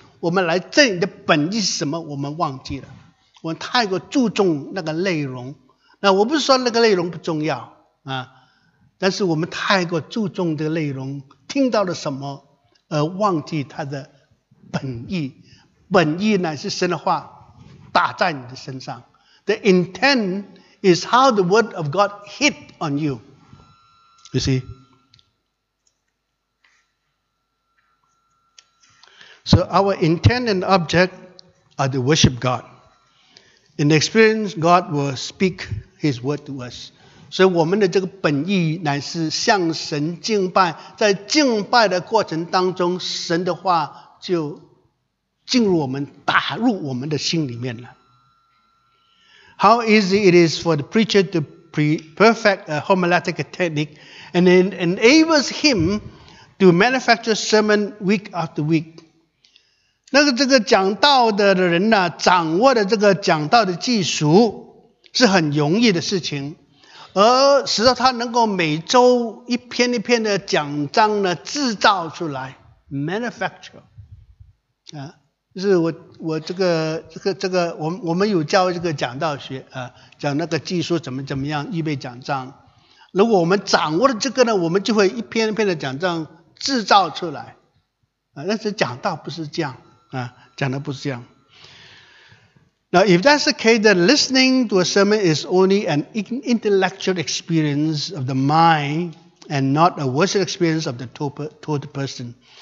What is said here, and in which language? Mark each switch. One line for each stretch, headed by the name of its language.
Chinese: 我们来这里的本意是什么, 我们忘记了。 我们太过注重那个内容, 那我不是说那个内容不重要啊，但是我们太过注重这个内容，听到了什么而忘记它的本意。本意乃是神的话打在你的身上。
English: The intent is how the word of God hit on you. You see? So our intent and object are to worship God. In the experience, God will speak His word to us.
Chinese: 所以我们的这个本意乃是向神敬拜，在敬拜的过程当中，神的话就进入我们，打入我们的心里面了。
English: How easy it is for the preacher to perfect a homiletic technique and it enables him to manufacture sermon week after week.
Chinese: 那个这个讲道的人呢、啊、掌握的这个讲道的技术是很容易的事情，而使得他能够每周一篇一篇的讲章呢制造出来 manufacture、啊就是我这个我们有教这个讲道学啊，讲那个技术怎么样预备讲章。如果我们掌握了这个呢，我们就会一篇一篇的讲章制造出来啊。但是讲道不是这样啊，讲的不是这样。
English: Now if that's the case, then listening to a sermon is only an intellectual experience of the mind and not a worship experience of the total person.